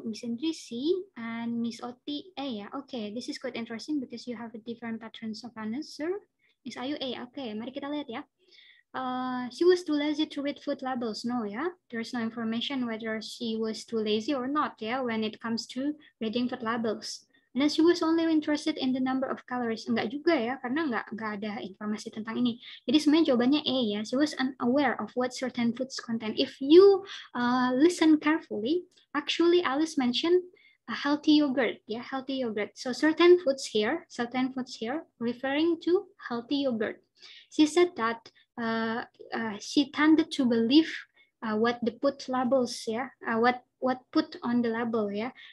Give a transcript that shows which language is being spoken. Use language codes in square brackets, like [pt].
[en] Miss Indri C and Miss Oti A, yeah. Okay, this is quite interesting because you have a different patterns of answer. Miss Ayu A, okay, [id] mari kita lihat ya. [en] She was too lazy to read food labels. No, yeah. There is no information whether she was too lazy or not, yeah, when it comes to reading food labels. And then she was only interested in the number of calories. [id] Enggak juga ya, karena enggak ada informasi tentang ini. Jadi sebenarnya jawabannya A, ya. [en] She was unaware of what certain foods contain. If you listen carefully, actually Alice mentioned a healthy yogurt, yeah, healthy yogurt. So certain foods here, referring to healthy yogurt. She said that she tended to believe what the food labels, yeah, what put on the label, ya.